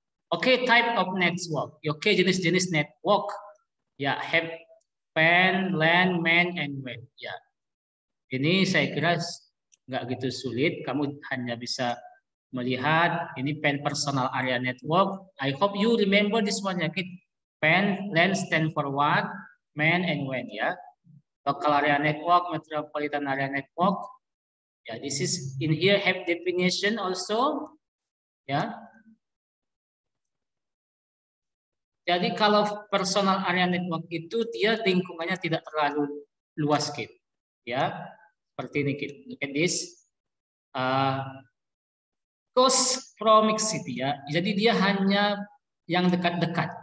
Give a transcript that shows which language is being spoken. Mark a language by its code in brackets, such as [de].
[en] Oke, type of network. [id] Oke, jenis-jenis network. [en] Ya, have, pan, LAN, MAN, and WAN. Ya. [id] Ini saya kira nggak gitu sulit, kamu hanya bisa melihat ini PAN personal area network. [en] I hope you remember this one ya, Kit. PAN, LAN stand for what, MAN and WAN ya. Local area network, metropolitan area network. Ya, yeah, this is in here have definition also. Ya. Yeah. [id] Jadi kalau personal area network itu dia lingkungannya tidak terlalu luas, Kit. Ya. Yeah. Seperti ini, Kit. [en] Look at this. [id] Close proximity ya. Jadi dia hanya yang dekat-dekat.